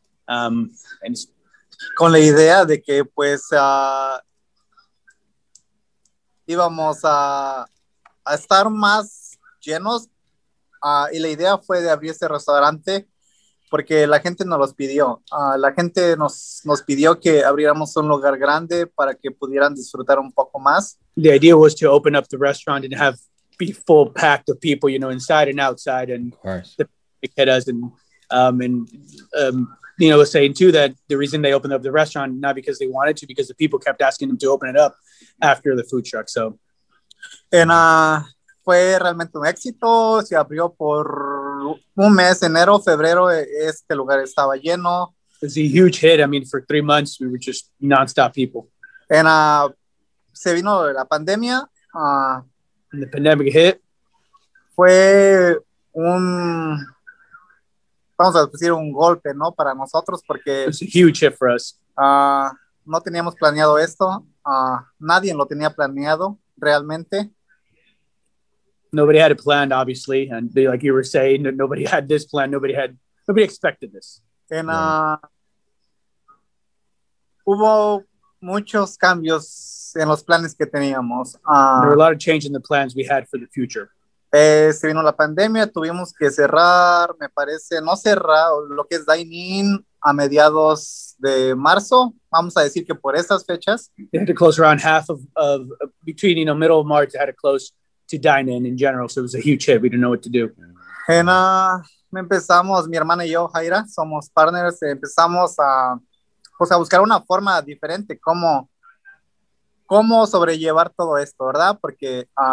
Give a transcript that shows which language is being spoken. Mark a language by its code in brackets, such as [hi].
[es] And con la idea de que pues íbamos a estar más llenos. Y la idea fue de abrir este restaurante porque la gente nos los pidió. La gente nos pidió que abriéramos un lugar grande para que pudieran disfrutar un poco más. [en] The idea was to open up the restaurant and have be full packed of people, you know, inside and outside, and Nino was saying too that the reason they opened up the restaurant, not because they wanted to, because the people kept asking them to open it up after the food truck. So, [es] and fue realmente un éxito. Se abrió por un mes, enero, febrero, este lugar estaba lleno. [en] It was a huge hit. I mean, for 3 months, we were just nonstop people. [es] And se vino la pandemia. [en] And the pandemic hit. [es] Fue un, vamos a decir, un golpe, ¿no? Para nosotros, porque... [en] It was a huge hit for us. [es] No teníamos planeado esto. Nadie lo tenía planeado, realmente. [en] Nobody had it planned, obviously. And like you were saying, nobody had this plan. Nobody expected this. [es] And hubo muchos cambios en los planes que teníamos. [en] There were a lot of change in the plans we had for the future. [es] Se vino la pandemia, tuvimos que cerrar, me parece, no cerrar, lo que es dine-in a mediados de marzo, vamos a decir que por esas fechas. [en] They had to close around half of between, you know, middle of March, they had to close to dine-in in general, so it was a huge hit, we didn't know what to do. [es] And empezamos, mi hermana y yo, Jaira, somos partners, empezamos a, pues, a buscar una forma diferente, cómo sobrellevar todo esto, ¿verdad? Porque...